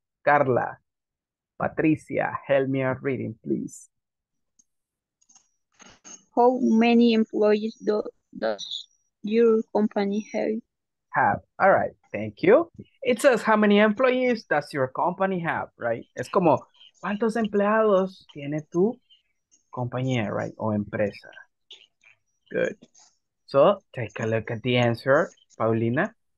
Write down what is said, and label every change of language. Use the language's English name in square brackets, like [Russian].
[English] Carla, Patricia, help me out reading, please. How many employees does your company have? Have. All right, thank you. It says how many employees does your company have, right? [Spanish] Es como, ¿cuántos empleados tiene tu compañía, right? O empresa. Good. [English] So, take a look at the answer, Paulina.